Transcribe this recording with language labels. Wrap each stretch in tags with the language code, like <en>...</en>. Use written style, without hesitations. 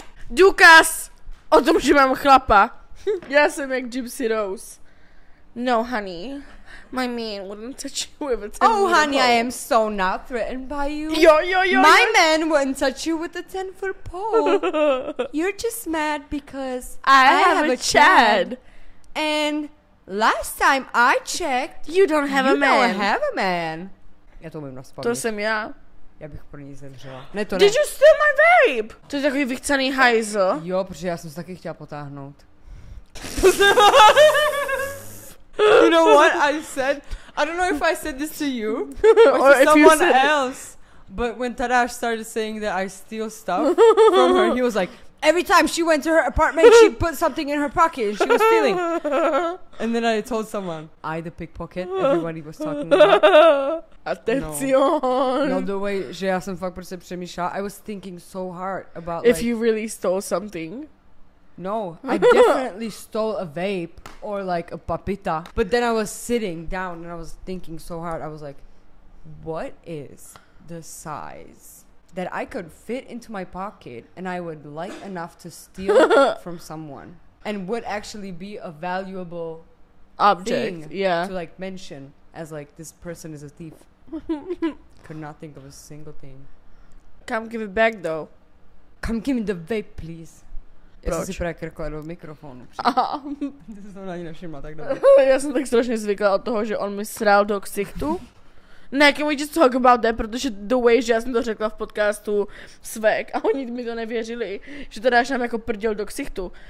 <cs>Důkaz o tom, že mám chlapa. Já jsem jak Gypsy Rose.</cs> <en>No, honey. My man wouldn't touch you with a 10-foot pole. Oh, honey, I am so not threatened by you. Yo. My man wouldn't touch you with a 10-foot pole. You're just mad because I have a Chad. And last time I checked, you don't have you a man. You don't have a man.</en> <cs>Já to umím naspomit. To jsem já. Já bych pro ní zemřela. Ne, to ne.</cs> <en>Did you steal my vape?</en> <cs>To je takový vychcený hajzl. Jo, protože já jsem se taky chtěla potáhnout.</cs> <en>You know what I said? I don't know if I said this to you or to someone else. But when Tadash started saying that I steal stuff from her, he was like, every time she went to her apartment, she put something in her pocket and she was stealing. And then I told someone, I the pickpocket, everybody was talking about. Attention.</en> <cs>No,</cs> <en>the way,</en> <cs>že já jsem fakt prostě přemýšlela.</cs> <en>I was thinking so hard about if like, you really stole something. No, I definitely stole a vape or like a papita. But then I was sitting down and I was thinking so hard. I was like, what is the size that I could fit into my pocket and I would like enough to steal from someone and would actually be a valuable object thing, yeah, to like mention as like this person is a thief. Could not think of a single thing. Come give it back though. Come give me the vape, please.</en> <cs>Proč? Já jsem si prakrkla do mikrofonu. Aha. Ty jsi to na ní nevšimla, tak dobře. Já jsem tak strašně zvykla od toho, že on mi srál do ksichtu. Ne,</cs> <en>can we just talk about that,</en> <cs>protože</cs> <en>the way,</en> <cs>že já jsem to řekla v podcastu Svek a oni mi to nevěřili, že to dáš nám jako prděl do ksichtu.</cs>